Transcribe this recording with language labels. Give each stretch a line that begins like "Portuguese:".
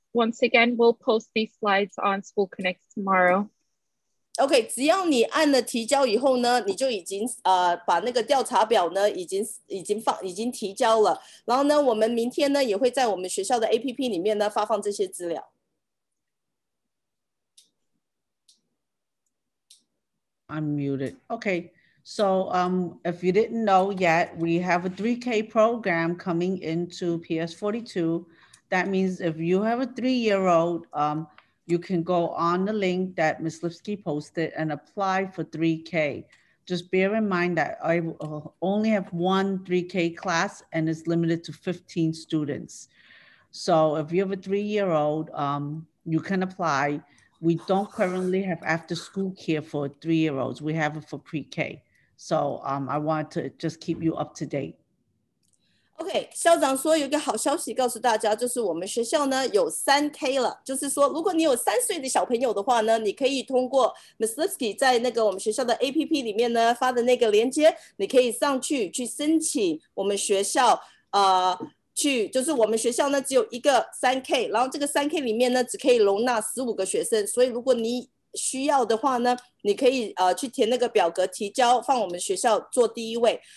English: Once again, we'll post these slides on School Connect tomorrow.
Chinese: Okay, 只要你按了提交以后呢, 你就已经, 把那个调查表呢, 已经提交了, 然后呢, 我们明天呢, 也会在我们学校的APP里面呢, 发放这些资料。
English: I'm muted. Okay. So if you didn't know yet, we have a 3K program coming into PS42. That means if you have a 3-year-old, you can go on the link that Ms. Lipsky posted and apply for 3K. Just bear in mind that I only have one 3K class and it's limited to 15 students. So if you have a 3-year-old, you can apply. We don't currently have after school care for 3-year-olds. We have it for pre-K. So I want to just keep you up to date.
Chinese: Okay, 校长说有一个好消息告诉大家，就是我们学校呢有3K了，就是说如果你有3岁的小朋友的话呢， 你可以通过 Ms. Lipsky 在那个我们学校的APP里面呢， 发的那个连接， 你可以上去去申请我们学校， 就是我们学校呢， 只有一个3K， 然后这个3K里面呢， 只可以容纳15个学生， 所以如果你 需要的话呢， 你可以, 去填那个表格, 提交, 放我们学校做第一位。